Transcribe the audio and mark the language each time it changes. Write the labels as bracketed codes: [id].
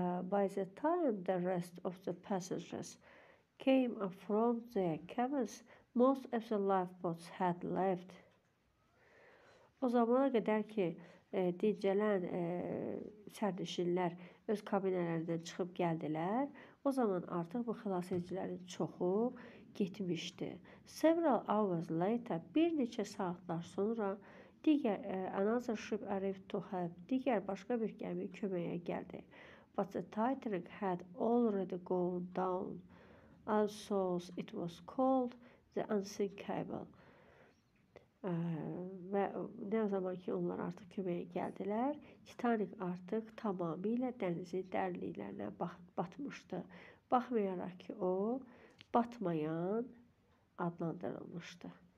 [en] By the time the rest of the passengers came from their cabins, most of the lifeboats had left. [az] O zamana qədər ki dincələn sərnişinlər öz kabinələrindən çıxıb gəldilər. O zaman artıq bu xilas edicilərin çoxu getmişdi. [en] Several hours later, [az] bir neçə saatlar sonra digər [en] another ship arrived to help. [az] Digər başqa bir gəmi köməyə gəldi. [en] But the Titanic had already gone down. And so it was called the unseen cable. [az] Və nə zaman ki onlar artıq köməyə gəldilər, Titanic artıq tamamilə dənizin dərinliklərinə batmışdı. Baxmayaraq ki, o batmayan adlandırılmışdı.